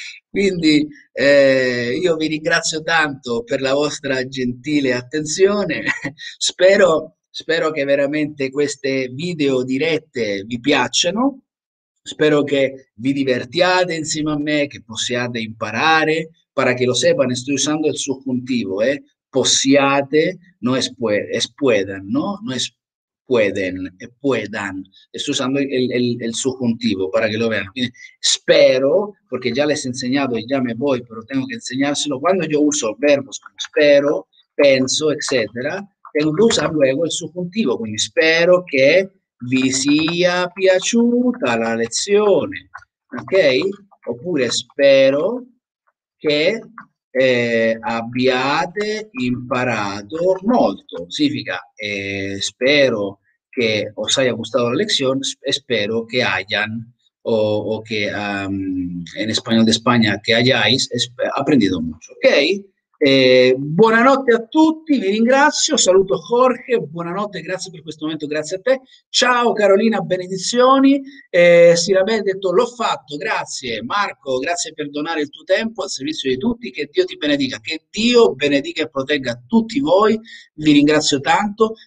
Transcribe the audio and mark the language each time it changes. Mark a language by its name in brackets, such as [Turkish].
[Italian] Quindi io vi ringrazio tanto per la vostra gentile attenzione. Spero che veramente queste video dirette vi piacciono. Spero che vi divertiate insieme a me, che possiate imparare. [Spanish] Para que lo sepan, estoy usando el subjuntivo, possiate, no es, es puedan, ¿no? No es pueden, es puedan. Estoy usando el subjuntivo para que lo vean. Quindi, espero, porque ya les he enseñado y ya me voy, pero tengo que enseñárselo. Cuando yo uso verbos como espero, penso, etcétera, tengo que usar luego el subjuntivo. [Italian] Quindi [Spanish] espero que [Italian] vi sia piaciuta la lezione, ¿ok? Oppure espero che abbiate imparato molto. [Spanish] Significa, spero che os haya gustado la lección, espero que hayan, o che en español de España, que hayáis aprendido mucho. Ok? [Italian] Buonanotte a tutti, vi ringrazio, saluto Jorge, buonanotte, grazie per questo momento, grazie a te. Ciao Carolina, benedizioni. Sì, l'ha detto, l'ho fatto, grazie. Marco, grazie per donare il tuo tempo al servizio di tutti, che Dio ti benedica, che Dio benedica e protegga tutti voi, vi ringrazio tanto.